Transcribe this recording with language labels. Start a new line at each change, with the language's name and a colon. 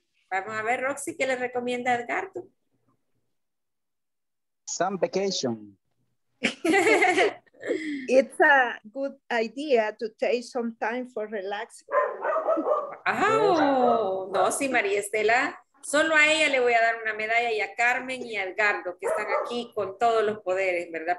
Spanish: Vamos a ver, Roxy, ¿qué le recomienda a Edgardo?
English: Some vacation. It's a good idea to take some time for relaxing.
Spanish: Oh, no, sí, María Estela. Solo a ella le voy a dar una medalla, y a Carmen y a Edgardo, que están aquí con todos los poderes, ¿verdad?